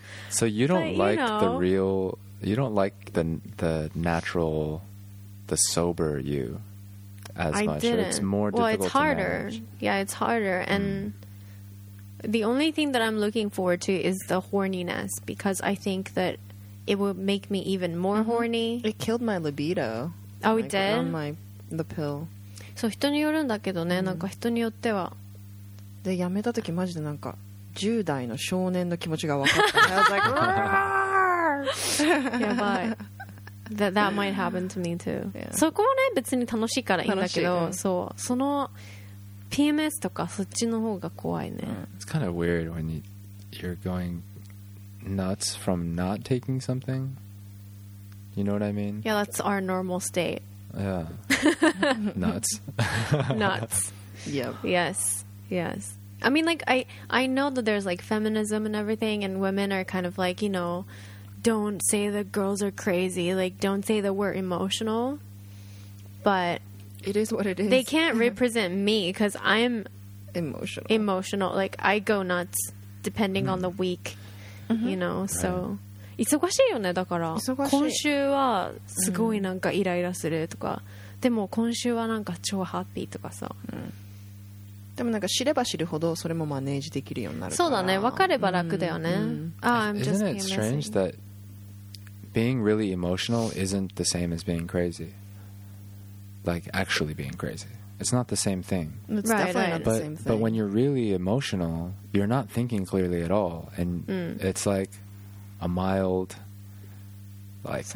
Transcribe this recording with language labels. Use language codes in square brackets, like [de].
[en] so you don't but, like you know, the real you don't like the natural the sober you as I much. Didn't. It's more difficult. Well, it's harder. To yeah, it's harder and the only thing that I'm looking forward to is the horniness because I think that it will make me even more horny. It killed my libido. Oh, it did? On my, the pill. [ja] So, 人によるんだけどね、なんか人によっては。で、やめたとき、マジでなんか、10代の少年の気持ちが分かった。 [en] I was like, RAAAAAAAAAAAAAAAAAAAAAAAAAAAAAAAAAAAAAAAAAAAAAAAAAAAAAAAAAAAAAAAAAAAAAAAAAAAAAAAAAAAAAAAAAAAAAAAAAAAAAAAAAAAAAAAAAAAAAAAAAAAAAAAAAAAAAAAAAAAAAAAAAAAAAAAAAAAAAAAAAAAAAAAAAAAAAAAAAAAAAAAAAAAAAAAAAAAAAAAAAAAAAAAAAAAAAAAAAAAAAAAAAAAAAAAAAAAAAAAAAAAAAAAAAAAAAAAAAAAAAAAAAAAAAAAAAAAAAAAAAAAAAAAAAAAAAAAAAAAAAAAAAAAAAAAAAAAAAAAAAAAAAAAAAAAAAAAAAAAAAAAAAAAAAAAAAAAAAAAAAAAAAAAAAAAAAAAAAA [ja] しいからいいんだけど、そう、その PMS とかそっちの方が怖いね。 [en] It's kind of weird when you're going nuts from not taking something. You know what I mean? Yeah, that's our normal state. Yeah. Nuts. Nuts. Yep. Yes. Yes. I mean, like, I know that there's, like, feminism and everything, and women are kind of like, you know, don't say the girls are crazy. Like, don't say that we're emotional. But it is what it is. They can't represent me because I'm emotional. Emotional. Like, I go nuts depending on the week. Mm-hmm. You know, so... Right. [ja] 忙しいよね、だから。忙しい。今週はすごいなんかイライラするとか。でも今週はなんか超ハッピーとかさ。でもなんか知れば知るほどそれもマネージできるようになるから。そうだね、分かれば楽だよね。 [en] Isn't it strange that being really emotional isn't the same as being crazy? Like, actually being crazy. It's not the same thing. It's definitely not the same thing. But when you're really emotional... You're not thinking clearly at all, and it's like a mild, like